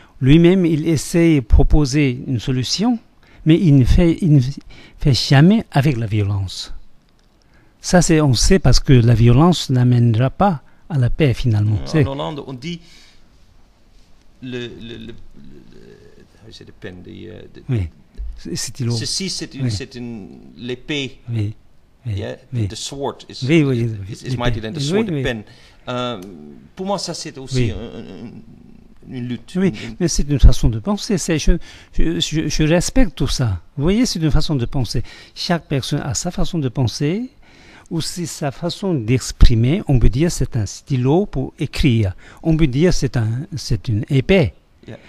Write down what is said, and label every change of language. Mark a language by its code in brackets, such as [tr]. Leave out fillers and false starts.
[fr] Lui-même, il essaye de proposer une solution. Mais il ne fait jamais avec la violence. Ça, c'est, on sait, parce que la violence n'amènera pas à la paix, finalement. En Hollande, on dit l'épée. [en] The sword is mighty than the sword, the pen. [fr] Pour moi, ça, c'est aussi une lutte. Oui, mais c'est une façon de penser. Je respecte tout ça. Vous voyez, c'est une façon de penser. Chaque personne a sa façon de penser ou c'est sa façon d'exprimer. On peut dire que c'est un stylo pour écrire. On peut dire que c'est une épée. Yeah.